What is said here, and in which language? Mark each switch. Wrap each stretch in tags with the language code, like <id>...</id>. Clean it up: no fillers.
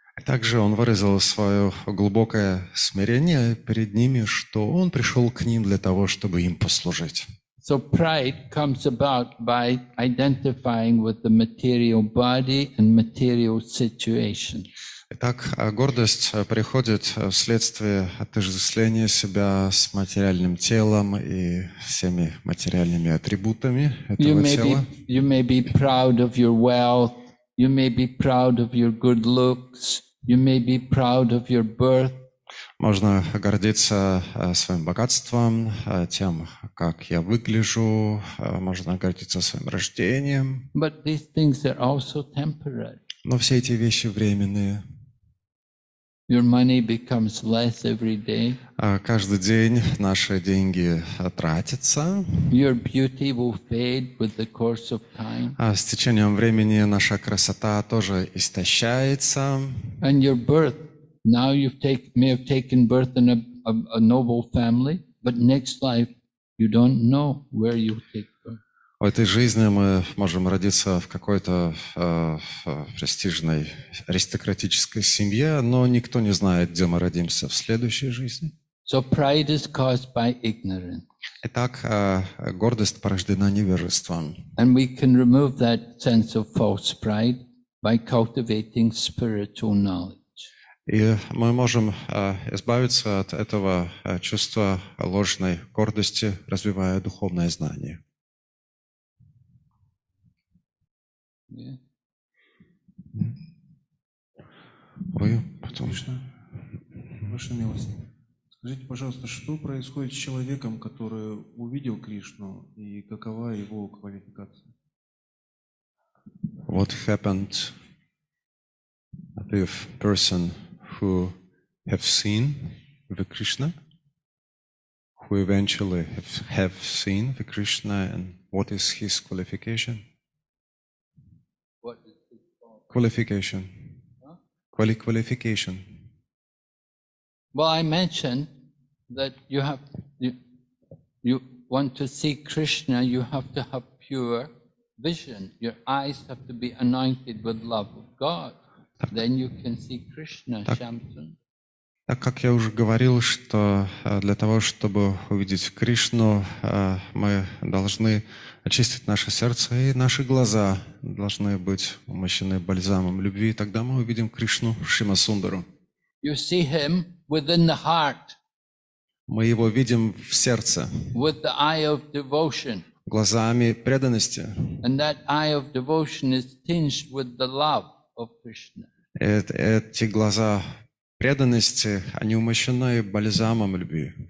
<ru>Также он выразил свое глубокое смирение перед ними, что он пришел к ним для того, чтобы им послужить.</ru> <en>So pride comes about by identifying with the material body and material situation.</en> <ru>Итак, гордость приходит вследствие отождествления себя с материальным телом и всеми материальными атрибутами этого тела.</ru> <en>You may be proud of your wealth, you may be proud of your good looks, you may be proud of your birth.</en> <ru>Можно гордиться своим богатством, тем, как я выгляжу, можно гордиться своим рождением.</ru> <en>But these things are also temporary.</en> <ru>Но все эти вещи временные.</ru> <en>Your money becomes less every day.</en> <ru>Каждый день наши деньги тратятся.</ru> <en>Your beauty will fade with the course of time.</en> <ru>С течением времени наша красота тоже истощается.</ru> <en>And your birth. Now may have taken birth in a noble family, but next life you don't know where you take birth.</en> <ru>В этой жизни мы можем родиться в какой-то престижной аристократической семье, но никто не знает, где мы родимся в следующей жизни.</ru> <en>So pride is caused by ignorance.</en> <ru>Итак, гордость порождена невежеством.</ru> <en>And we can remove that sense of false pride by cultivating spiritual knowledge.</en> <ru>И мы можем избавиться от этого чувства ложной гордости, развивая духовное знание.</ru> <en>Yeah.</en> <ru>Вы потом. Конечно. Ваша милость. Скажите, пожалуйста, что происходит с человеком, который увидел Кришну, и какова его квалификация?</ru> <en>What happened if person who have seen the Krishna, who eventually have seen the Krishna, and what is his qualification? What is his qualification? Qualification. Well, I mentioned that you want to see Krishna, you have to have pure vision. Your eyes have to be anointed with love of God. Так, then you can see Krishna, Shamsun.</en> <ru>Так как я уже говорил, что для того, чтобы увидеть Кришну, мы должны очистить наше сердце, и наши глаза должны быть умощены бальзамом любви, и тогда мы увидим Кришну Шимасундару.</ru> <en>You see him within the heart.</en> <ru>Мы его видим в сердце.</ru> <en>With the eye of devotion.</en> <ru>Глазами преданности.</ru> <en>And that eye of devotion is tinged with the love of Krishna.</en> <ru>Эти глаза преданности, они умощены бальзамом любви.</ru>